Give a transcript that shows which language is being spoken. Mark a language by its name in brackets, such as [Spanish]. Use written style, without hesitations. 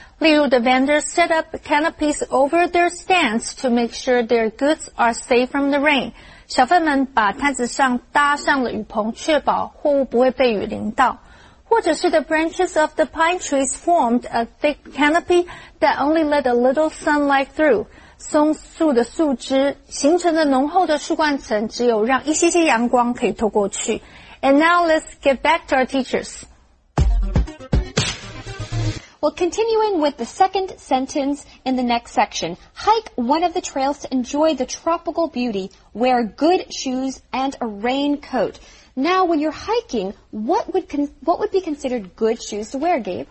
[Chinese] 例如 [English] ,the vendors set up canopies over their stands to make sure their goods are safe from the rain. [Chinese] 小贩们把摊子上搭上了雨棚，确保货物不会被雨淋到。或者是 [English] ,the branches of the pine trees formed a thick canopy that only let a little sunlight through. [Chinese] 松树的树枝形成了浓厚的树冠层，只有让一些阳光可以透过去。 [English] And now let's get back to our teachers. Well, continuing with the second sentence in the next section, hike one of the trails to enjoy the tropical beauty, wear good shoes and a raincoat. Now, when you're hiking, what would be considered good shoes to wear, Gabe?